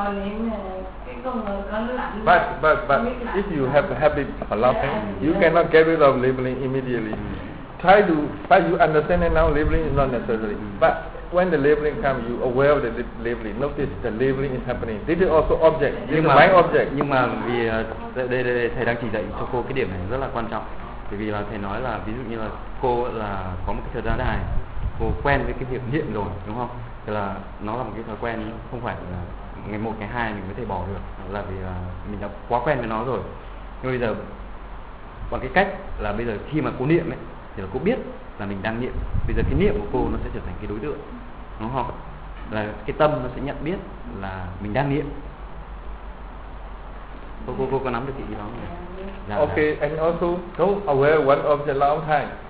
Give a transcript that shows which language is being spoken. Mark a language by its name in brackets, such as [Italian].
[English] But if you have a habit of laughing, you cannot get rid of labeling immediately. Try to, but you understand it now, labeling is not necessary. But when the labeling comes, you are aware of the labeling. Notice the labeling is happening. This is also object. This [Vietnamese] nhưng [English] is [Vietnamese] mà, [English] my object. [Vietnamese] Nhưng mà vì đây thầy đang chỉ dạy cho cô cái điểm này rất là quan trọng. Bởi vì là thầy nói là ví dụ như là cô là có một cái thời gian dài, cô quen với cái việc niệm rồi, đúng không? Thì là nó là một cái thói quen, không phải là ngày một ngày hai mình có thể bỏ được, là vì là mình đã quá quen với nó rồi. Nhưng bây giờ bằng cái cách là bây giờ khi mà cô niệm ấy thì là cô biết là mình đang niệm. Bây giờ cái niệm của cô nó sẽ trở thành cái đối tượng, đúng không? Là cái tâm nó sẽ nhận biết là mình đang niệm. Cô có nắm được cái ý đó dạ, ok dạ. [English] And also so aware one of the long time.